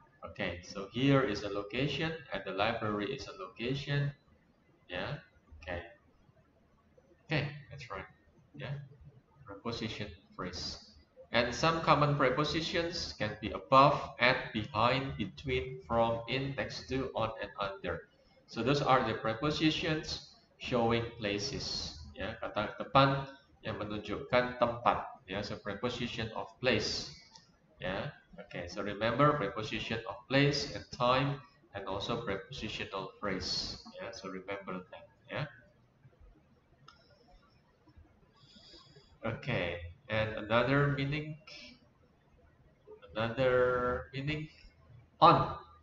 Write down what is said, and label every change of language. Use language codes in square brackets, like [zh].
[en] Okay, so here is a location, and the library is a location. Yeah, okay. Okay, that's right. Yeah, preposition phrase. And some common prepositions can be above, at, behind, between, from, in, next to, on, and under. So those are the prepositions showing places. [id] Yeah, kata depan yang menunjukkan tempat. [en] Yeah, so preposition of place. Yeah. Okay, so remember preposition of place and time, and also prepositional phrase. Yeah, so remember that. Yeah. Okay, and another meaning on.